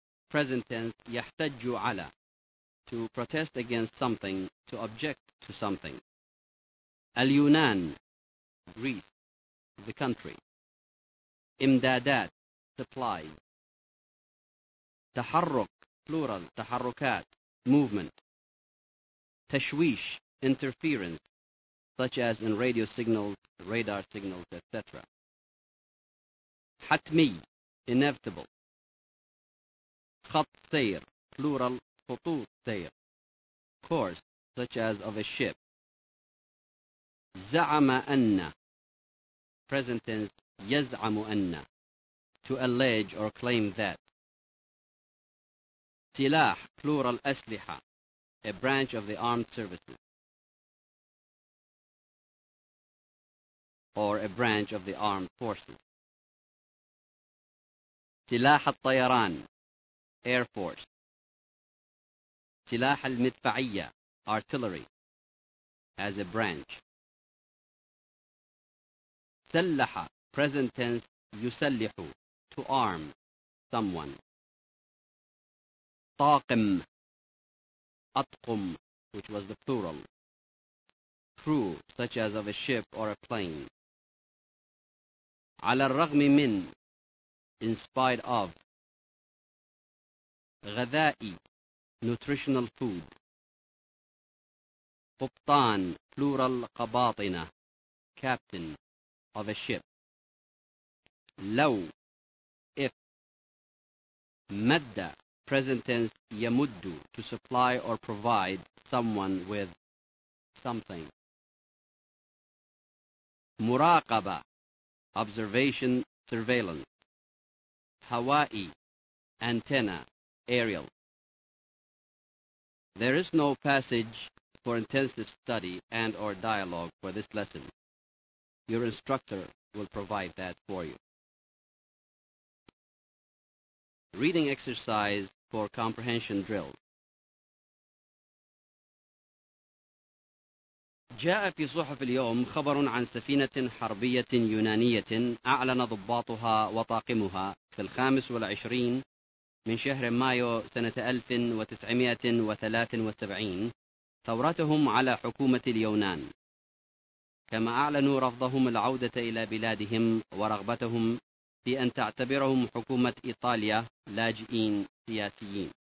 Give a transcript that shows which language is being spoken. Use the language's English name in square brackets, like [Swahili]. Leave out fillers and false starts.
[English] Present tense, [Arabic] يحتج على. [English] To protest against something, to object to something. اليونان, Greece, the country. امدادات, supply. تحرك, plural, تحركات, movement. تشويش, interference, such as in radio signals, radar signals, etc. [Arabic] حتمي, inevitable. خط سير, plural, خطوط سير. [English] Course, such as of a ship. [Arabic] زعم أن, [English] present tense, [Arabic] يزعم أن, [English] to allege or claim that. سلاح, plural, أسلحة, a branch of the armed services. Or a branch of the armed forces. [Arabic] سلاح الطيران, [English] air force. [Arabic] سلاح المدفعية, [English] artillery, as a branch. سلح, present tense, يسلح, to arm someone. طاقم, أطقم, which was the plural. Crew, such as of a ship or a plane. [Arabic] على الرغم من, [English] in spite of. غذائي, nutritional food. قبطان, plural, قباطنة, captain of a ship. لو, if. مد, present tense, يمد, to supply or provide someone with something. مراقبة, observation, surveillance. هوائي, antenna, aerial. There is no passage for intensive study and or dialogue for this lesson. Your instructor will provide that for you. Reading exercise for comprehension drill. [Arabic] جاء في صحف اليوم خبر عن سفينة حربية يونانية أعلن ضباطها وطاقمها في 25 من شهر مايو سنة 1973 ثورتهم على حكومة اليونان، كما أعلنوا رفضهم العودة إلى بلادهم ورغبتهم في أن تعتبرهم حكومة إيطاليا لاجئين سياسيين.